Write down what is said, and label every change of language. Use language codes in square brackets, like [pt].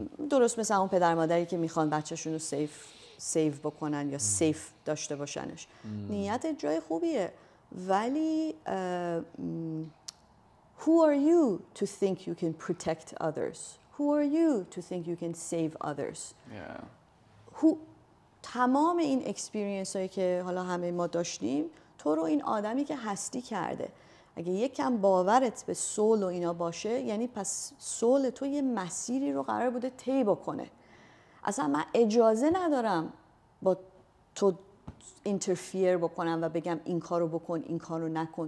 [fa] درست مثل همون پدر مادری که میخوان بچهشون رو سیف بکنن یا سیف داشته باشنش. نیت جای خوبیه. [en] ولی Who are you to think you can protect others? Who are you to think you can save others? Yeah. [fa] تمام این اکسپیرینس هایی که حالا همه ما داشتیم تو رو این آدمی که هستی کرده. اگه یکم باورت به سول و اینا باشه، یعنی پس سول تو یه مسیری رو قرار بوده طی بکنه. اصلا من اجازه ندارم با تو اینترفیر بکنم و بگم این کارو بکن این کارو نکن.